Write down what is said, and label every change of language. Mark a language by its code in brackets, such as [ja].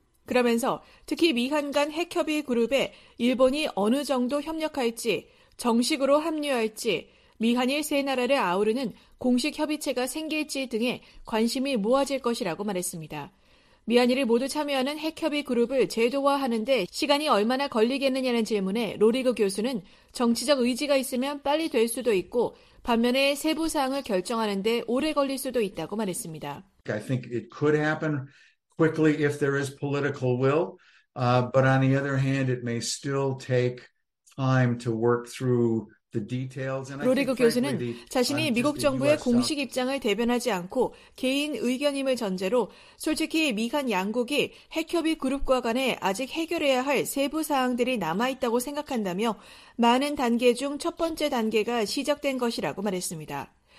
[ko] 그러면서 특히 미한 간 핵협의 그룹에 일본이 어느 정도 협력할지, 정식으로 합류할지, 미한일 세 나라를 아우르는 공식 협의체가 생길지 등에 관심이 모아질 것이라고 말했습니다. 미한일이 모두 참여하는 핵협의 그룹을 제도화하는데 시간이 얼마나 걸리겠느냐는 질문에 로리그 교수는 정치적 의지가 있으면 빨리 될 수도 있고 반면에 세부 사항을 결정하는 데 오래 걸릴 수도 있다고 말했습니다. [en] I think it could happen quickly if there is political will, but on the other hand, it may still take time to work through the details. [ko] 로리그 교수는 자신이 미국 정부의 공식 입장을 대변하지 않고 개인 의견임을 전제로 솔직히 미한 양국이 핵협의 그룹과 간에 아직 해결해야 할 세부 사항들이 남아있다고 생각한다며 많은 단계 중 첫 번째 단계가 시작된 것이라고 말했습니다.